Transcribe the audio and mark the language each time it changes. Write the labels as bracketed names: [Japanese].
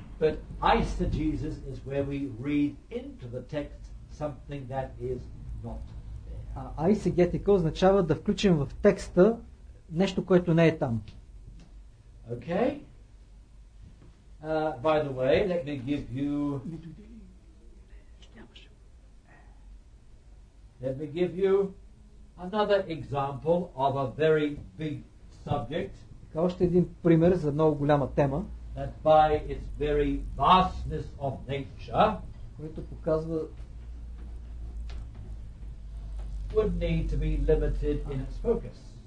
[English] But eisegesis is where we read into the text something that is not there. [Bulgarian] Айсегетика означава да включим в текста нещо, което не е там. [English] Okay. By the way, let me give you... Let me give you another example of a very big subject. [Bulgarian] Така, още един пример за много голяма тема. [English] That by its very vastness of nature, [Bulgarian] което показва... [English] would need to be limited in its focus.